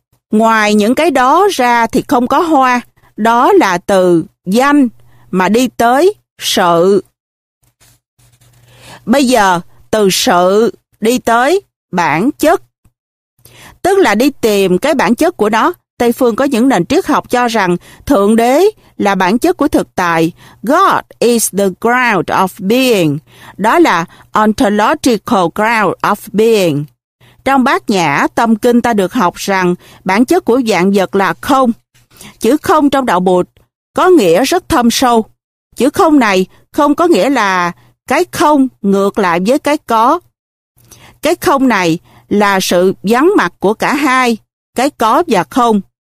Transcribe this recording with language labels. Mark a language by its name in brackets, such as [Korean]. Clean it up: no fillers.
[Vietnamese] Ngoài những cái đó ra thì không có hoa, đó là từ danh mà đi tới sự. Bây giờ, từ sự đi tới bản chất, tức là đi tìm cái bản chất của nó. Tây phương có những nền triết học cho rằng Thượng Đế là bản chất của thực tại. [English] God is the ground of being. [Vietnamese] Đó là [English] ontological ground of being. [Vietnamese] Trong Bát Nhã Tâm Kinh ta được học rằng bản chất của vạn vật là không. Chữ không trong đạo Bụt có nghĩa rất thâm sâu. Chữ không này không có nghĩa là cái không ngược lại với cái có. Cái không này là sự vắng mặt của cả hai, cái có và không.